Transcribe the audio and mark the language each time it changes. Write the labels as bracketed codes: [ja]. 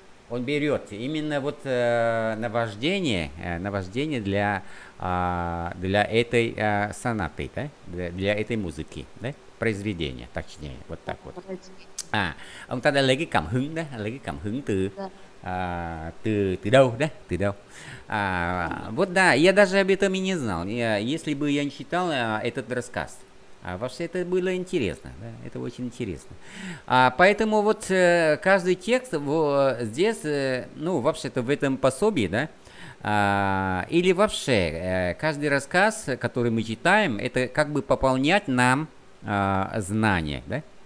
[ru] Он берет именно вот наваждение для этой сонаты, да? Для этой музыки, да? Произведения, точнее, вот так вот. А, он тогда [vi] lấy cái cảm hứng từ, да. Từ đâu? [ru] А, вот да, я даже об этом и не знал, если бы я не читал этот рассказ. Вообще это было интересно, да? Это очень интересно. А, поэтому вот каждый текст вот здесь, ну, вообще-то в этом пособии, да, или вообще каждый рассказ, который мы читаем, это как бы пополнять нам знания, да?